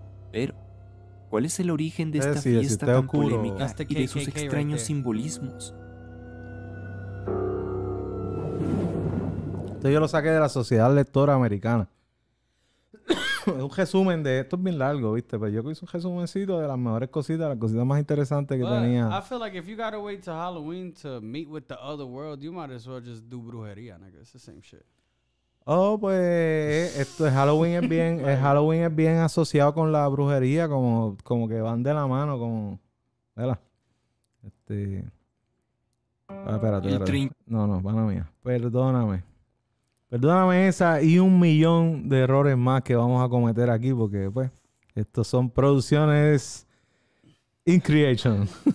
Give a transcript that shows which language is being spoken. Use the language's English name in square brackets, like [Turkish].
[Spanish] Pero, ¿cuál es el origen de esta fiesta tan polémica y de sus extraños simbolismos? Esto yo lo saqué de la Sociedad Lectora Americana. Un resumen de esto es bien largo, viste, pero yo hice un resumencito de las mejores cositas, las cositas más interesantes que [English] but [Spanish] tenía. [English] I feel like if you gotta wait to Halloween to meet with the other world, you might as well just do brujería, nigga. It's the same shit. [Spanish] Oh, pues esto es Halloween, es bien, el Halloween es bien asociado con la brujería, como que van de la mano, como, ¿verdad? Espérate. No, pana mía, perdóname. Perdóname esa y un millón de errores más que vamos a cometer aquí porque, pues, estos son producciones [English] in creation.